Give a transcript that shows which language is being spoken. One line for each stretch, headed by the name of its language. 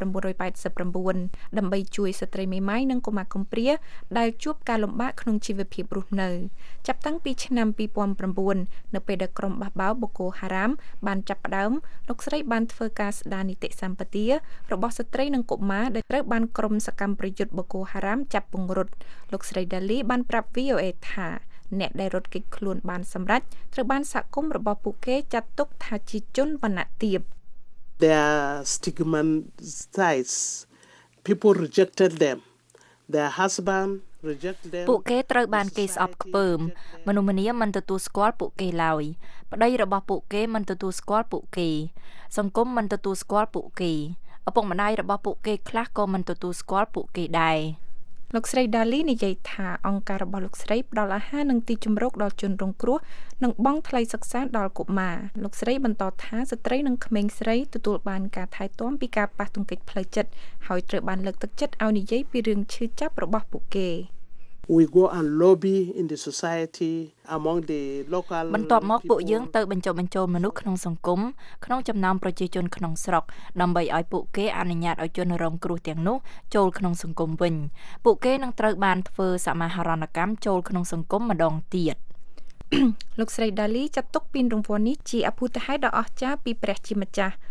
Khmer: 1989ដើម្បីជួយស្ត្រីមេម៉ាយនិងកុមារកំព្រាដែលជួបការលំបាកក្នុងជីវភាពរស់នៅចាប់តាំងពីឆ្នាំ2009នៅពេលដែលក្រុមបះបោរ Boko Haram បានចាប់ផ្ដើមលោកស្រីបានធ្វើការស្ដារនីតិសម្បទារបស់ស្ត្រីនិងកុមារដែលត្រូវបានក្រុមសកម្មប្រយុទ្ធ Boko Haram ចាប់ពង្រត់លោកស្រីដាលីបានប្រាប់ VOA ថាអ្នកដែលរត់គេចខ្លួនបានសម្រេចត្រូវបានសហគមន៍របស់ពួកគេចាត់ទុកថាជាជនវណ្ណៈទាប
English: Their stigmatized people rejected them their husband rejected them
Khmer: ពួកគេត្រូវបានគេស្អប់ខ្ពើមមនុស្សម្នាមិនទទួលស្គាល់ពួកគេឡើយប្តីរបស់ពួកគេមិនទទួលស្គាល់ពួកគេសង្គមមិនទទួលស្គាល់ពួកគេឪពុកម្ដាយរបស់ពួកគេខ្លះក៏មិនទទួលស្គាល់ពួកគេដែរ លោកស្រីដាលីនិយាយថាអង្គការរបស់លោកស្រីផ្ដល់អាហារនិងទីជម្រកដល់ជនរងគ្រោះនិងបង់ថ្លៃសិក្សាដល់កុមារលោកស្រីបន្តថាស្ត្រីនិងក្មេងស្រីទទួលបានការថែទាំពីការប៉ះទង្គិចផ្លូវចិត្តហើយត្រូវបានលើកទឹកចិត្តឲ្យនិយាយពីរឿងឈឺចាប់របស់ពួកគេ
English: We go and lobby in the society among the local
Khmer: បន្ទាប់មកពួកយើងទៅបញ្ចុះបញ្ចូលមនុស្សក្នុងសង្គមក្នុងចំណោមប្រជាជនក្នុងស្រុកដើម្បីឲ្យពួកគេអនុញ្ញាតឲ្យជនរងគ្រោះទាំងនោះចូលក្នុងសង្គមវិញពួកគេនឹងត្រូវបានធ្វើសមាហរណកម្មចូលក្នុងសង្គមម្ដងទៀត លោកស្រីដាលីចាត់ទុកពានរង្វាន់នេះជាអភូតហេតុដ៏អស្ចារ្យពីព្រះជាម្ចាស់